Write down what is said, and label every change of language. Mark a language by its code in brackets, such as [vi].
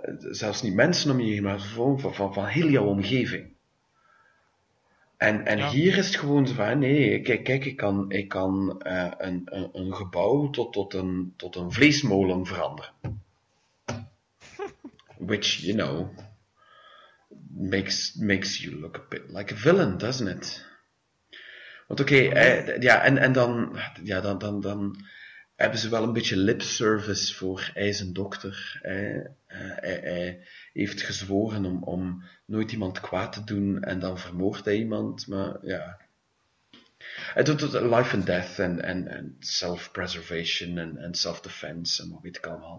[nl] zelfs niet mensen om je heen, maar van heel jouw omgeving. En ja. Hier is het gewoon zo van, nee, kijk, ik kan een gebouw tot een vleesmolen veranderen. [en] Which, you know, makes you look a bit like a villain, doesn't it? [nl] Want oké, okay, ja, en dan, ja, dan hebben ze wel een beetje lipservice voor zijn dokter. Hij heeft gezworen om nooit iemand kwaad te doen en dan vermoordt hij iemand. Maar ja, hij doet het [en] life and death [nl] en self-preservation en self-defense en wat weet ik allemaal.